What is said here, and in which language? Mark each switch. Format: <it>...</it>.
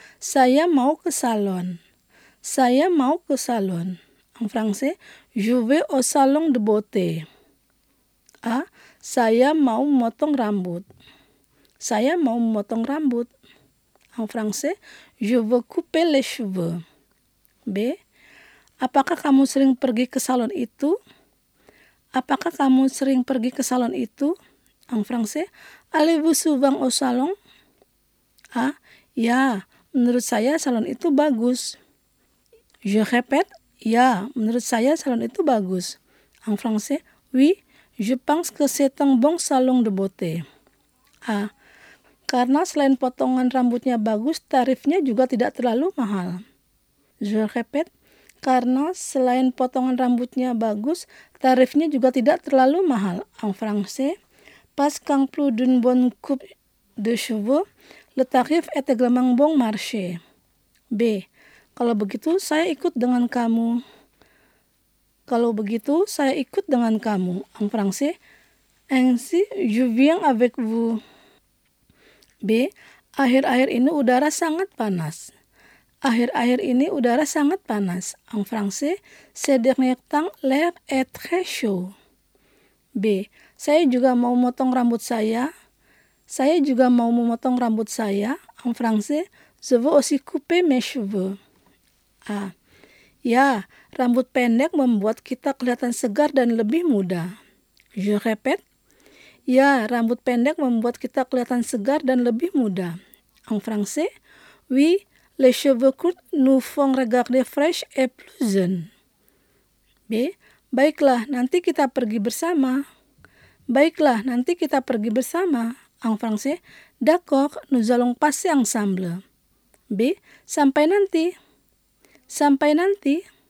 <id>Saya mau ke salon. Saya mau ke salon.</id> <fr>En français, je vais au salon de beauté. A.</fr> <id>Saya mau motong rambut. Saya mau motong rambut.</id> <fr>En français, je veux couper les cheveux. B.</fr> <id>Apakah kamu sering pergi ke salon itu? Apakah kamu sering pergi ke salon itu?</id> <fr>En français, allez-vous souvent au salon? A.</fr> <id>Ya, menurut saya salon itu bagus.</id> <fr>Je répète,</fr> <id>ya, menurut saya salon itu bagus.</id> <fr>En français, oui, je pense que c'est un bon salon de beauté. A.</fr> <id>Karena selain potongan rambutnya bagus, tarifnya juga tidak terlalu mahal.</id> <fr>Je répète,</fr> <id>karena selain potongan rambutnya bagus, tarifnya juga tidak terlalu mahal.</id> <fr>En français, parce qu'en plus d'une bonne coupe de cheveux, le tarif est également bon marché. B.</fr> <id>Kalau begitu, saya ikut dengan kamu. Kalau begitu, saya ikut dengan kamu.</id> <fr>En français, ainsi, je viens avec vous. B.</fr> <id>Akhir-akhir ini udara sangat panas. Akhir-akhir ini udara sangat panas.</id> <fr>En français, ces derniers temps, l'air est très chaud. B.</fr> <id>Saya juga mau memotong rambut saya. Saya juga mau memotong rambut saya.</id> <fr>En français, je veux aussi couper mes cheveux. A.</fr> <id>Ya, rambut pendek membuat kita kelihatan segar dan lebih muda.</id> <fr>Je répète.</fr> <id>Ya, rambut pendek membuat kita kelihatan segar dan lebih muda.</id> <fr>En français, oui. Les cheveux courts nous font regarder fresh et plus jeune.</fr> <id>B. Baiklah, nanti kita pergi bersama. Baiklah, nanti kita pergi bersama.</id> <fr>En français, d'accord, nous allons passer ensemble. B.</fr> <id>Sampai nanti. Sampai nanti.</id>